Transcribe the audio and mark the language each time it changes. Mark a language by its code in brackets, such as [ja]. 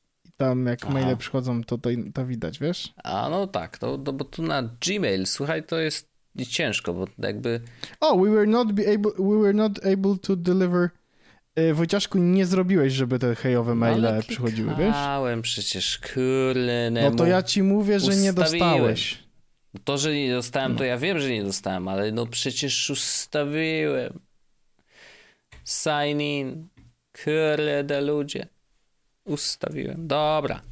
[pl] I tam jak maile przychodzą, to widać, wiesz? A no tak, to bo tu na Gmail, słuchaj, to jest ciężko, bo jakby... [en] We were not able to deliver... [pl] Wojciaszku, nie zrobiłeś, żeby te hejowe maile przychodziły, wiesz? Klikałem przecież, kurde. No to ja ci mówię, że ustawiłem. Nie dostałeś. To, że nie dostałem, to ja wiem, że nie dostałem, ale no przecież ustawiłem. [en] Sign in. [pl] Kurde ludzie. Ustawiłem. Dobra.